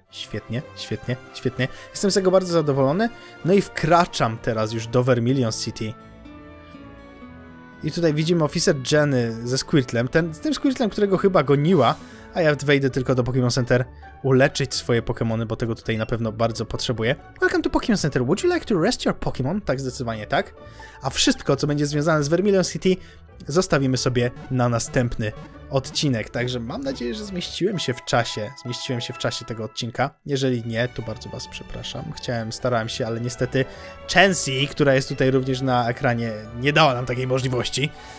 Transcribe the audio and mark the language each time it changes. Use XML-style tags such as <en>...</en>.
<pl>Świetnie, świetnie, świetnie. Jestem z tego bardzo zadowolony. No i wkraczam teraz już do Vermilion City. I tutaj widzimy oficer Jenny ze Squirtlem, z tym Squirtlem, którego chyba goniła, a ja wejdę tylko do Pokémon Center uleczyć swoje Pokémony, bo tego tutaj na pewno bardzo potrzebuję.</pl> <en>Welcome to Pokémon Center, would you like to rest your Pokémon?</en> <pl>Tak, zdecydowanie tak. A wszystko, co będzie związane z Vermilion City, zostawimy sobie na następny odcinek. Także mam nadzieję, że zmieściłem się w czasie tego odcinka. Jeżeli nie, to bardzo was przepraszam. Starałem się, ale niestety Chansey, która jest tutaj również na ekranie, nie dała nam takiej możliwości.</pl>